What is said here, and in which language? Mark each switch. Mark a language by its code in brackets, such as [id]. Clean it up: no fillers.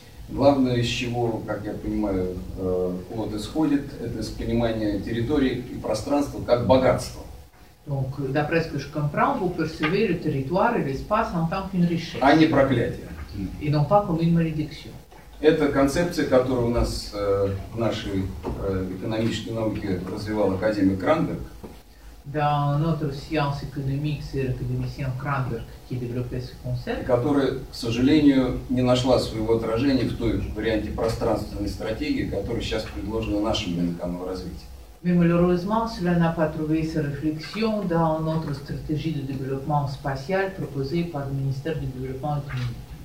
[ru] Главное, из чего, как я понимаю, вот исходит, это с понимания территории и пространства как богатства. [fr] Donc, d'après ce que je comprends, vous percevez le territoire et l'espace en tant qu'une richesse. [ru] А не проклятие. [fr] Et non pas comme une malédiction. [ru] Это концепция, которую у нас в нашей экономической науке развивал академик Кранберг. [fr] Dans notre science économique, c'est l'académicien Кранберг qui développait ce concept. [ru] Которая, к сожалению, не нашла своего отражения в той варианте пространственной стратегии, которая сейчас предложена нашим Минэконом развития. [fr] Mais malheureusement, cela n'a pas trouvé sa réflexion dans notre stratégie de développement spatial proposée par le ministère du développement économique.